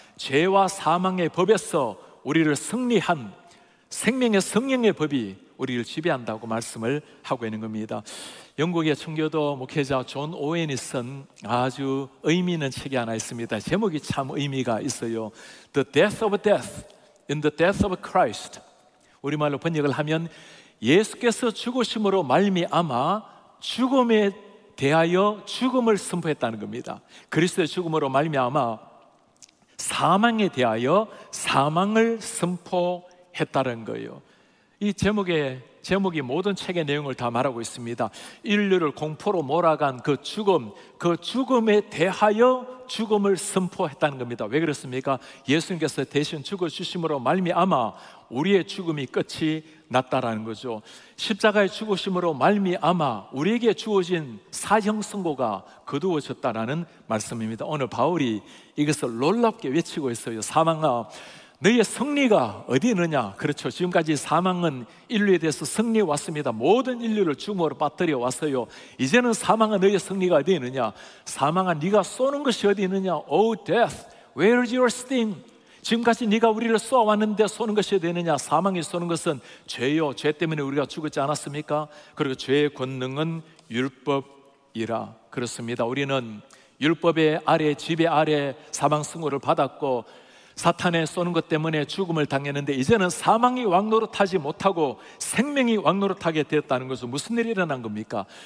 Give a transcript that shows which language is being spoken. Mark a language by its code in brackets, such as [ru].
[ko] 죄와 사망의 법에서 우리를 승리한 생명의 성령의 법이 우리를 지배한다고 말씀을 하고 있는 겁니다. 영국의 청교도 목회자 존 오웬이 쓴 아주 의미 있는 책이 하나 있습니다. 제목이 참 의미가 있어요. [en] The Death of Death in the Death of Christ. [ko] 우리말로 번역을 하면 예수께서 죽으심으로 말미암아 죽음에 대하여 죽음을 선포했다는 겁니다. 그리스도의 죽음으로 말미암아 사망에 대하여 사망을 선포했다는 거예요. 이 제목이 모든 책의 내용을 다 말하고 있습니다. 인류를 공포로 몰아간 그 죽음에 대하여 죽음을 선포했다는 겁니다. 왜 그렇습니까? 예수님께서 대신 죽어주심으로 말미암아 우리의 죽음이 끝이 났다라는 거죠. 십자가의 죽으심으로 말미암아 우리에게 주어진 사형선고가 거두어졌다라는 말씀입니다. 오늘 바울이 이것을 놀랍게 외치고 있어요. 사망아, 너의 승리가 어디 있느냐? 그렇죠. 지금까지 사망은 인류에 대해서 승리해 왔습니다. 모든 인류를 죽음으로 빠뜨려 왔어요. 이제는 사망은 너의 승리가 어디 있느냐? 사망아, 네가 쏘는 것이 어디 있느냐? [en] Oh death, where is your sting? [ko] 지금까지 네가 우리를 쏘아왔는데 쏘는 것이 어디 있느냐? 사망이 쏘는 것은 죄요. 죄 때문에 우리가 죽었지 않았습니까? 그리고 죄의 권능은 율법이라. 그렇습니다. 우리는 율법의 아래, 지배 아래 사망 승호를 받았고 사탄에 쏘는 것 때문에 죽음을 당했는데 이제는 사망이 왕노릇하지 못하고 생명이 왕노릇하게 되었다는 것은 무슨 일이 일어난 겁니까?